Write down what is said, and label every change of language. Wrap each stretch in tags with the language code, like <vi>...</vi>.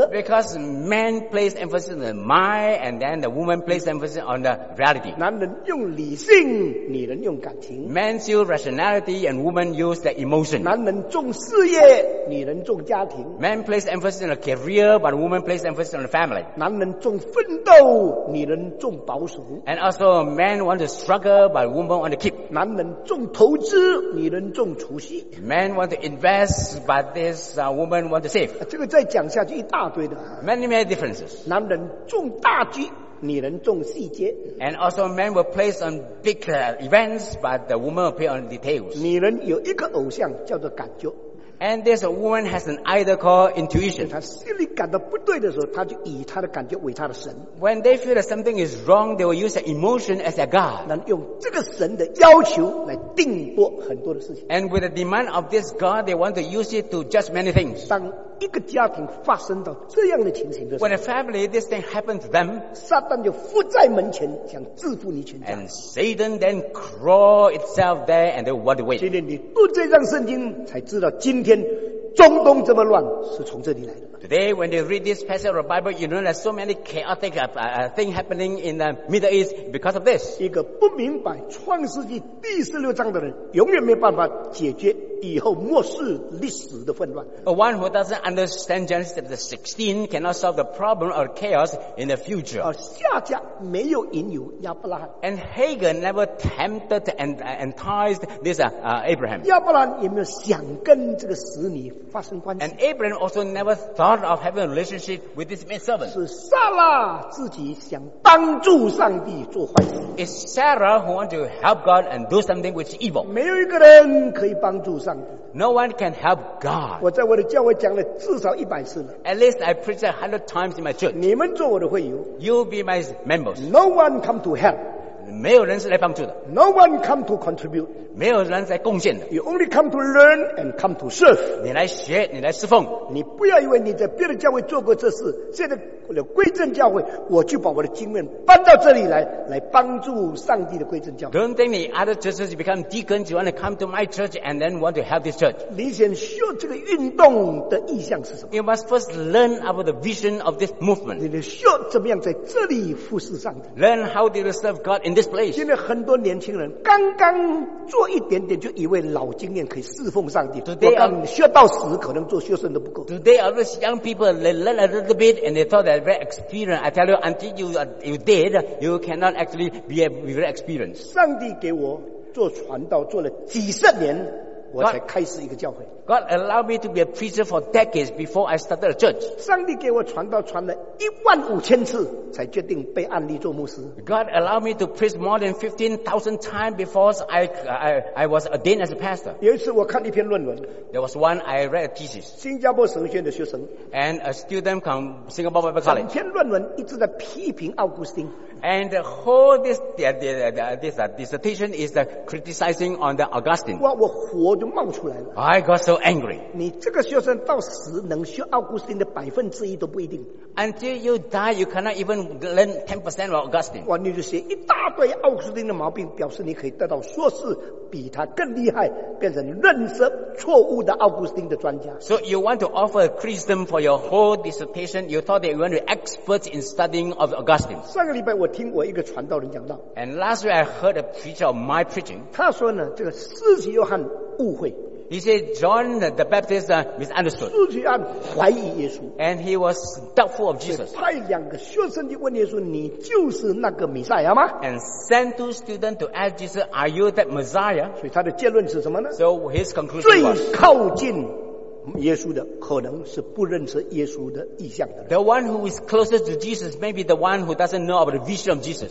<en>Because men place emphasis on the mind, and then the woman place emphasis on the reality.</en> <zh>男人用理性，女人用感情。</zh> <en>Men use rationality, and women use the emotion.</en> <zh>男人重事业，女人重家庭。</zh> <en>Men place emphasis on a career, but women place emphasis on the family.</en> <zh>男人重奋斗，女人重保守。</zh> <en>And also, men want to struggle, but women want to keep.</en> <zh>男人重投资，女人重储蓄。</zh> <en>Men want to invest, but this woman want to save.</en> <zh>这个再讲下去一大堆的。</zh> <en>Many, many differences.</en> <zh>男人重大局。女人重细节</zh> <en>，and also men will place on big events, but the woman will play on details.</en> <zh>女人有一个偶像叫做感觉</zh> <en>，and this woman has an idol called intuition.</en> <zh>她心里感到不对的时候，她就以她的感觉为她的神。</zh> <en>When they feel that something is wrong, they will use their emotion as their god.</en> <zh>能用这个神的要求来定夺很多的事情。</zh> <en>And with the demand of this god, they want to use it to judge many things.</en> <zh>当一个家庭发生到这样的情形的时候</zh> <en>，When a family this thing happened to them，</en> <zh>撒旦就伏在门前想制服你全家。</zh> <en>And Satan then crawl itself there and they want to win。</en> <zh>今天你读这张圣经才知道，今天中东这么乱是从这里来的。</zh> <en>Today when they read this passage of the Bible, you know there's so many chaotic thing happening in the Middle East because of this。</en> <zh>一个不明白创世纪第十六章的人，永远没办法解决。以后末世历史的混乱。</zh> <en>A one who doesn't understand Genesis chapter 16 cannot solve the problem of chaos in the future.</en> <zh>夏甲没有引诱亚伯拉罕。</zh> <en>And Hagar never tempted and enticed this Abraham.</en> <zh>亚伯拉罕也没有想跟这个使女发生关系。</zh> <en>And Abraham also never thought part of having a relationship with this maidservant.</en> <zh>是撒拉自己想帮助上帝做坏事。</zh> <en>It's Sarah who wants to help God and do something which is evil.</en> <zh>没有一个人可以帮助上帝。</zh> <en>No one can help God.</en> <zh>我在我的教会讲了至少100次了。</zh> <en>At least I preached 100 times in my church.</en> <zh>你们做我的会友。</zh> <en>You'll be my members. No one come to help.</en> <zh>没有人是来帮助的。</zh> <en>No one come to contribute.</en> <zh>没有人来贡献的。</zh> <en>You only come to learn and come to serve.</en> <zh>你来学，你来侍奉。你不要以为你在别的教会做过这事，现在归正教会，我就把我的经验搬到这里来，来帮助上帝的归正教会。</zh> <en>Don't think the other churches become deacons, you want to come to my church and then want to help this church.</en> <zh>你先学这个运动的意向是什么？</zh> <en>You must first learn about the vision of this movement.</en> <zh>你学怎么样在这里服侍上帝。</zh> <en>Learn how to serve God in this place.</en> <zh>现在很多年轻人刚刚做一点点就以为老经验可以侍奉上帝，我告诉你学到死可能做学生都不够。</zh> <en>Today all those young people they learn a little bit and they thought they're very experienced. I tell you until you're dead you cannot actually be very experienced.</en> <zh>上帝给我做传道做了几十年我才开始一个教会。</zh> <en>God allowed me to be a preacher for decades before I started a church.</en> <zh>上帝给我传道传了15,000次才决定被案例做牧师。</zh> <en>God allowed me to preach more than 15,000 times before I was ordained as a pastor.</en> <zh>有一次我看一篇论文。</zh> <en>There was one I read a thesis.</en> <zh>新加坡神学院的学生。</zh> <en>And a student from Singapore Bible College.</en> <zh>整篇论文一直在批评奥古斯丁。</zh> <en>And the whole this dissertation is the criticizing on the Augustine.</en> <zh>我火就冒出来了。</zh> <en>I got so angry.</en> <zh>你这个学生到死能学奥古斯丁的1%都不一定。</zh> <en>Until you die, you cannot even learn 10% of Augustine.</en> <zh>哇，你就写一大堆奥古斯丁的毛病，表示你可以得到硕士，比他更厉害，变成认识错误的奥古斯丁的专家。</zh> <en>So you want to offer a criticism for your whole dissertation? You thought that you were experts in studying of Augustine?</en> <zh>上个礼拜我听我一个传道人讲到。</zh> <en>And last week I heard a preacher of my preaching.</en> <zh>他说呢，这个施洗约翰误会。</zh> <en>He said John the Baptist misunderstood.</en> <zh>施洗约翰怀疑耶稣。</zh> <en>And he was doubtful of Jesus.</en> <zh>派两个学生去问耶稣：“你就是那个弥赛亚吗？”</zh> <en>And sent two students to ask Jesus, "Are you that Messiah?"</en> <zh>所以他的结论是什么呢</zh> <en>？So his conclusion was</en> <zh>最靠近耶稣的可能是不认识耶稣的意象的人。</zh> <en>The one who is closest to Jesus may be the one who doesn't know about the vision of Jesus.</en>